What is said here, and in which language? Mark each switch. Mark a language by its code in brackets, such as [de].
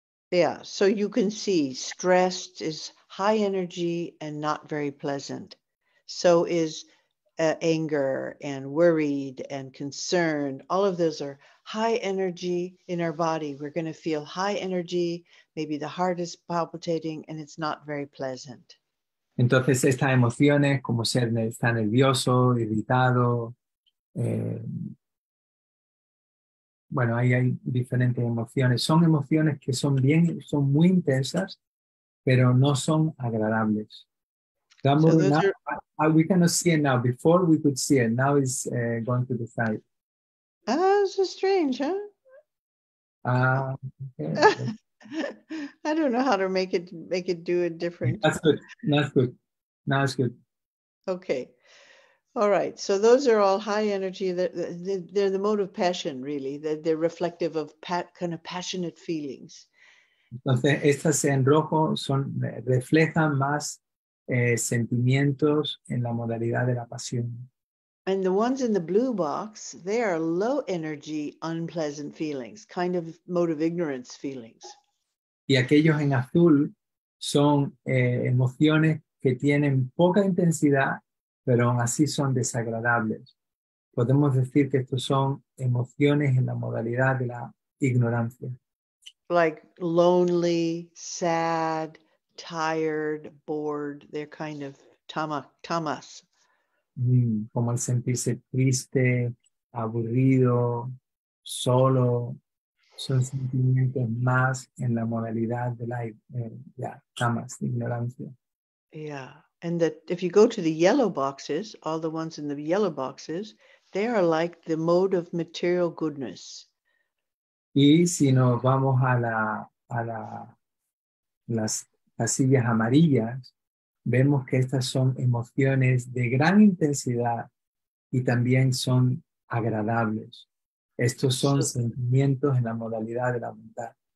[en] Yeah, so you can see stressed is high energy and not very pleasant. So is anger and worried and concerned. All of those are high energy in our body. We're going to feel high energy, maybe the heart is palpitating and it's not very pleasant. [es] Entonces estas emociones como ser está nervioso, irritado, bueno, ahí hay diferentes emociones. Son emociones que son bien, son muy intensas, pero no son agradables. [en] So now, are... we cannot see it now. Before we could see it. Now it's going to the side. Oh, so strange, huh? Okay. I don't know how to make it do it different. That's good. That's good. Now it's good. Okay. All right, so those are all high energy. They're the mode of passion, really. They're reflective of kind of passionate feelings. [es] Entonces, estas en rojo son reflejan más sentimientos en la modalidad de la pasión. [en] And the ones in the blue box, they are low energy, unpleasant feelings, kind of mode of ignorance feelings. [es] Y aquellos en azul son emociones que tienen poca intensidad, pero aún así son desagradables. Podemos decir que estos son emociones en la modalidad de la ignorancia. [en] Like lonely, sad, tired, bored. They're kind of tamas. [es] Como el sentirse triste, aburrido, solo. Son sentimientos más en la modalidad de la tamas, de ignorancia. [en] Yeah. And that if you go to the yellow boxes, all the ones in the yellow boxes, they are like the mode of material goodness. [es] Y si nos vamos a las casillas amarillas, vemos que estas son emociones de gran intensidad y también son agradables. Estos son sentimientos en la modalidad de la bondad.